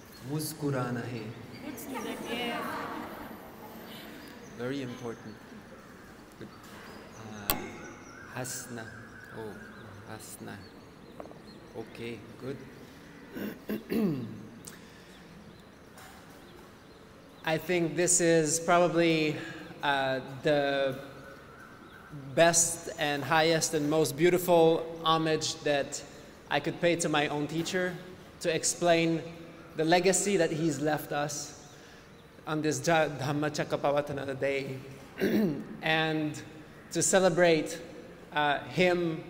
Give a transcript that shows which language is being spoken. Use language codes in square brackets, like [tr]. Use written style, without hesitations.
[mr] मुस्कुराण आहे, [en] Very important. [mr] हसणं, हो, हसणं, okay, good. [en] I think this is probably the best and highest and most beautiful homage that I could pay to my own teacher, to explain the legacy that he's left us on this Dhamma Chakapavatana day, and to celebrate him,